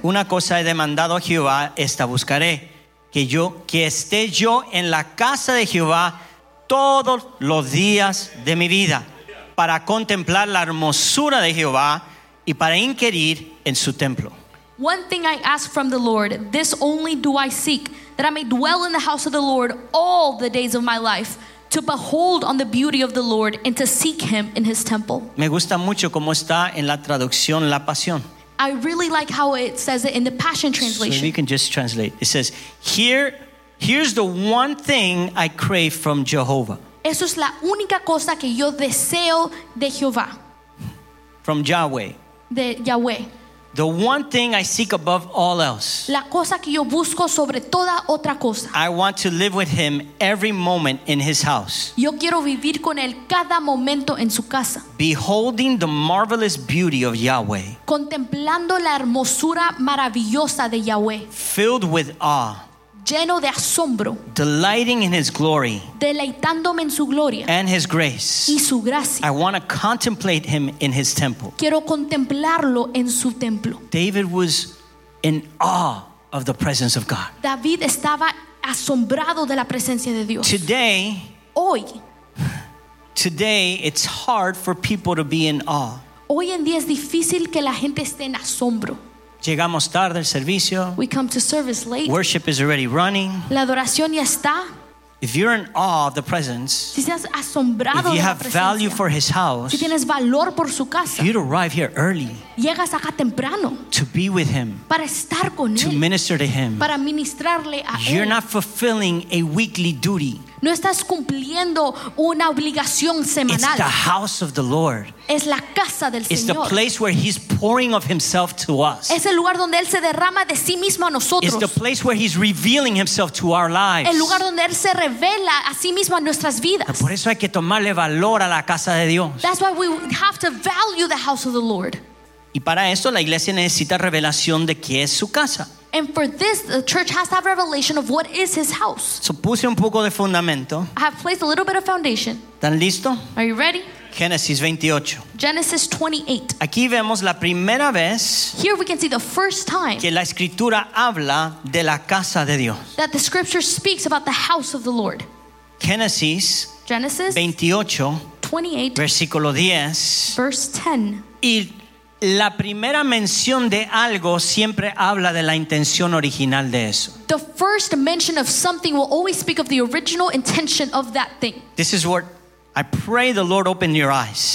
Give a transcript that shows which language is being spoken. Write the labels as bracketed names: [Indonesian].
[Spanish] Una cosa he demandado a Jehová, esta buscaré, que esté yo en la casa de Jehová todos los días de mi vida, para contemplar la hermosura de Jehová y para inquirir en su templo. [English] One thing I ask from the Lord, this only do I seek, that I may dwell in the house of the Lord all the days of my life, to behold on the beauty of the Lord and to seek him in his temple. [Spanish] Me gusta mucho cómo está en la traducción La Pasión. [English] I really like how it says it in the Passion Translation. So if you can just translate. It says, here's the one thing I crave from Jehovah. [Spanish] Eso es la única cosa que yo deseo de Jehová. [English] From Yahweh. [Spanish] De Yahweh. [English] The one thing I seek above all else. [Spanish] La cosa que yo busco sobre toda otra cosa. [English] I want to live with him every moment in his house. [Spanish] Yo quiero vivir con él cada momento en su casa. [English] Beholding the marvelous beauty of Yahweh. [Spanish] Contemplando la hermosura maravillosa de Yahweh. [English] Filled with awe. [Spanish] Lleno de asombro. [English] Delighting in his glory. [Spanish] Deleitándome en su gloria. [English] And his grace. [Spanish] Y su gracia. [English] I want to contemplate him in his temple. [Spanish] Quiero contemplarlo en su templo. [English] David was in awe of the presence of God. [Spanish] David estaba asombrado de la presencia de Dios. [English] Today, [Spanish] hoy, [English] today it's hard for people to be in awe. [Spanish] Hoy en día es difícil que la gente esté en asombro. Llegamos tarde al servicio. [English] We come to service late. Worship is already running. [Spanish] La adoración ya está. [English] If you're in awe of the presence, [Spanish] si estás asombrado, [English] if you have value for his house, [Spanish] si tienes valor por su casa, [English] you'd arrive here early. [Spanish] Llegas acá temprano. [English] To be with him. [Spanish] Para estar con [English] to [Spanish] él. [English] Minister to him. [Spanish] Para ministrarle a [English] you're [Spanish] él. [English] You're not fulfilling a weekly duty. [Spanish] No estás cumpliendo una obligación semanal. [English] It's the house of the Lord. [Spanish] Es la casa del [English] it's [Spanish] Señor. [English] The place where he's pouring of himself to us. [Spanish] Es el lugar donde él se derrama de sí mismo a nosotros. [English] It's the place where he's revealing himself to our lives. [Spanish] El lugar donde él se revela a sí mismo a nuestras vidas. Por eso hay que tomarle valor a la casa de Dios. [English] That's why we have to value the house of the Lord. [Spanish] Y para esto la iglesia necesita revelación de qué es su casa. [English] And for this, the church has to have revelation of what is his house. [Spanish] So puse un poco de fundamento. [English] I have placed a little bit of foundation. [Spanish] ¿Están listo? [English] Are you ready? [Spanish] Génesis 28. [English] Genesis 28. [Spanish] Aquí vemos la primera vez. [English] Here we can see the first time. [Spanish] Que la escritura habla de la casa de Dios. [English] That the scripture speaks about the house of the Lord. Genesis. Genesis 28. 28. [Spanish] Versículo 10. [English] Verse 10. [Spanish] Y la primera mención de algo siempre habla de la intención original de eso. [English] The first mention of something will always speak of the original intention of that thing. This is what I pray the Lord open your eyes.